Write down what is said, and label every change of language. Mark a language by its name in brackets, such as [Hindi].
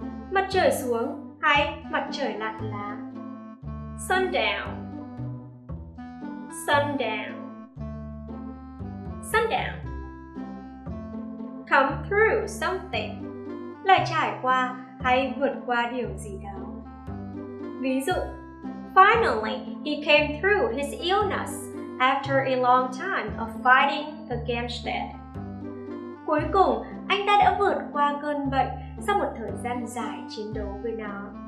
[Vietnamese] Mặt trời xuống hay mặt trời lặn là sundown. [English] Sundown. Sundown. [Vietnamese] Come through something là trải qua hay vượt qua điều gì đó. Ví dụ, [English] finally he came through his illness after a long time of fighting against it. [Vietnamese] Cuối cùng, anh ta đã vượt qua cơn bệnh sau một thời gian dài chiến đấu với nó.